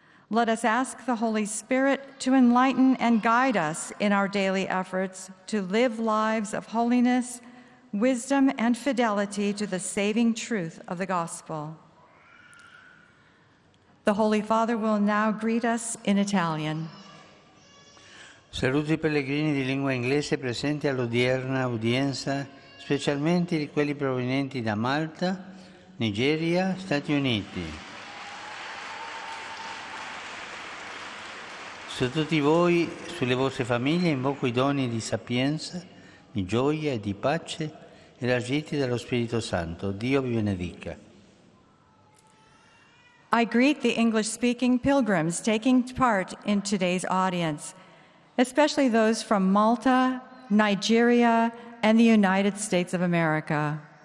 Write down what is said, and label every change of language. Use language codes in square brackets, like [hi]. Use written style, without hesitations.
[en] Let us ask the Holy Spirit to enlighten and guide us in our daily efforts to live lives of holiness, wisdom, and fidelity to the saving truth of the gospel. The Holy Father will now greet us in Italian. [it] Saluto i pellegrini di lingua inglese presenti all'odierna udienza, specialmente quelli provenienti da Malta, Nigeria, Stati Uniti. Su tutti voi, sulle vostre famiglie, invoco i doni di sapienza, di gioia e di pace, elargiti dallo Spirito Santo. Dio vi benedica. [en] I greet the English-speaking pilgrims taking part in today's audience, especially those from Malta, Nigeria, and the United States of America.